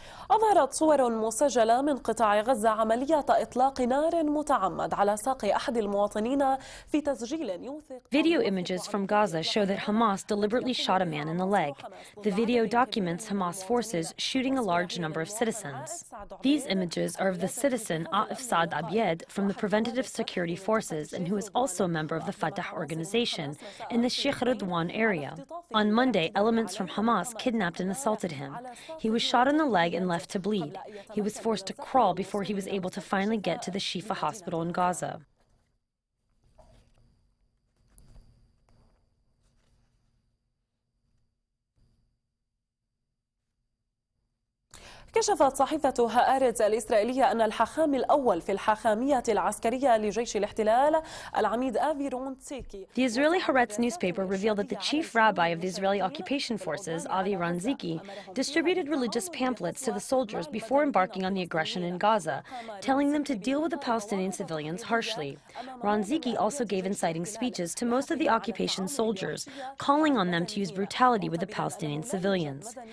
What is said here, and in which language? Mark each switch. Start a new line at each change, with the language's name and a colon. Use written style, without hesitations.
Arabic: أظهرت صور مسجلة من قطاع غزة عملية إطلاق نار متعمد على ساق أحد المواطنين في تسجيل يوثق
English: Video images from Gaza show that Hamas deliberately shot a man in the leg. The video documents Hamas forces shooting a large number of citizens. These images are of the citizen Aif Saad Abyed from the Preventative Security Forces and who is also a member of the Fatah organization in the Sheikh Ridwan area. On Monday, elements from Hamas kidnapped and assaulted him. He was shot in the leg and left to bleed. He was forced to crawl before he was able to finally get to the Shifa hospital in Gaza.
Arabic: كشفت صحيفة هآرتس الإسرائيلية أن الحاخام الأول في الحاخامية العسكرية لجيش الاحتلال العميد أفي رونتسيكي.
English: The Israeli Haaretz newspaper revealed that the chief rabbi of the Israeli occupation forces, Avi Ronziki, distributed religious pamphlets to the soldiers before embarking on the aggression in Gaza, telling them to deal with the Palestinian civilians harshly. Ronziki also gave inciting speeches to most of the occupation soldiers, calling on them to use brutality with the Palestinian civilians.